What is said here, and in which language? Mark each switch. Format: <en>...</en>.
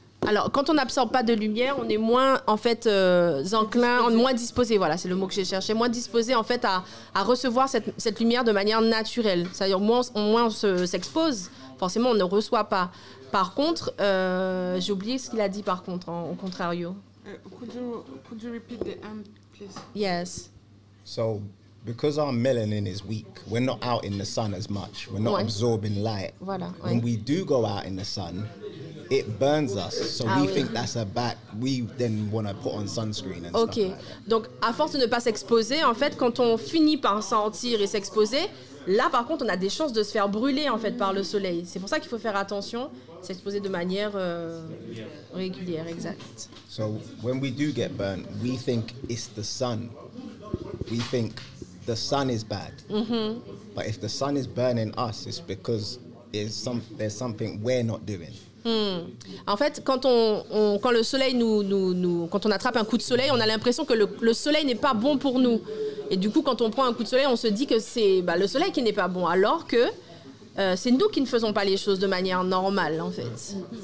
<fr>Alors, quand on n'absorbe pas de lumière, on est moins, en fait, enclin, disposé. Moins disposé, voilà, c'est le mot que j'ai cherché, moins disposé, en fait, à recevoir cette lumière de manière naturelle. C'est-à-dire, moins on s'expose, forcément, on ne reçoit pas. Par contre, j'ai oublié ce qu'il a dit, par contre, en contrario.</fr> <en>Could you repeat the end, please? Yes. So, because our melanin is weak, we're not out in the sun as much. We're not absorbing light.</en> <fr>Voilà,</fr> <en>When we do go out in the sun, it burns us. So we think that's a bad... We then want to put on sunscreen and stuff like that.</en> <fr>Donc, à force de ne pas s'exposer, en fait, quand on finit par sentir et s'exposer, là, par contre, on a des chances de se faire brûler, en fait, par le soleil. C'est pour ça qu'il faut faire attention, s'exposer de manière régulière, exact.</fr> <en>So when we do get burnt, we think it's the sun. We think... The sun is bad, but if the sun is burning us, it's because there's something we're not doing.</en> <fr>En fait, quand quand le soleil nous quand on attrape un coup de soleil, on a l'impression que le soleil n'est pas bon pour nous. Et du coup, quand on prend un coup de soleil, on se dit que c'est le soleil qui n'est pas bon, alors que c'est nous qui ne faisons pas les choses de manière normale, en fait.</fr>